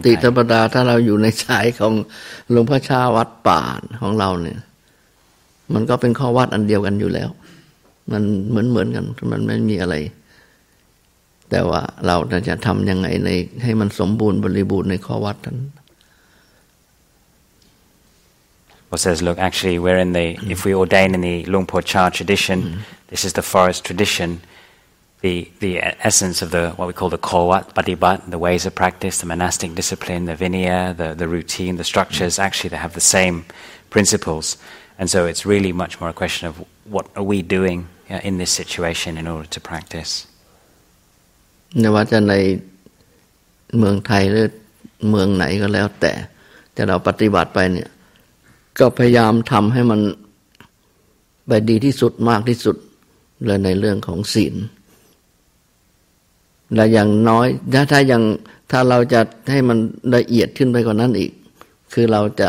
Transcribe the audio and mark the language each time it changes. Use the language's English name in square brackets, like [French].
[Thai] ปกติธรรมดาถ้าเราอยู่ในสายของหลวงพ่อชาวัดป่าของเราเนี่ยมันก็เป็นข้อวัดอันเดียวกันอยู่แล้วมันเหมือนกันมันไม่มีอะไรแต่ว่าเราจะทำยังไงในให้มันสมบูรณ์บริบูรณ์ในข้อวัดนั้น [English] Well, says, look, actually, we're in the if we ordain in the Lungpo Cha tradition, this is the forest tradition. The essence of the what we call the Kowat Badibat, the ways of practice, the monastic discipline, the vinaya, the routine, the structures, actually, they have the same principles. And so, it's really much more a question of what are we doing in this situation in order to practice. [Thai] ไม่ว่าจะในเมืองไทยหรือเมืองไหนก็แล้วแต่เราปฏิบัติไปเนี่ยก็พยายามทำให้มันไปดีที่สุดมากที่สุดเลยในเรื่องของศีลและอย่างน้อยถ้าเราจะให้มันละเอียดขึ้นไปกว่านั้นอีกคือเรา